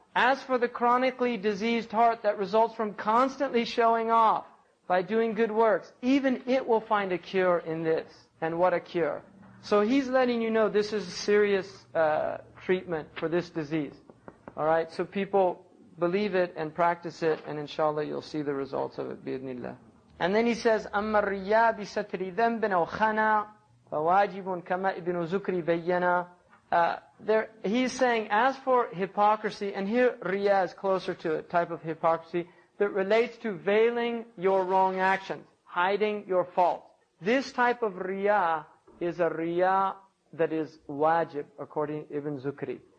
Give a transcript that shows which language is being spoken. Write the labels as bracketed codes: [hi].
[en] As for the chronically diseased heart that results from constantly showing off by doing good works, even it will find a cure in this. And what a cure. So he's letting you know this is a serious treatment for this disease. Alright, so people believe it and practice it, and inshallah you'll see the results of it, bi-idhnillah. And then he says, [ar] أَمَّا الرِّيَّا بِسَتْرِ ذَنْبٍ أَوْ خَنَا فَوَاجِبٌ كَمَا إِبْنُ زُكْرِ بَيَّنَا. [en] He's saying, as for hypocrisy, and here riya is closer to a type of hypocrisy, that relates to veiling your wrong actions, hiding your fault. This type of riya is a riya that is wajib, according to Ibn Zukri.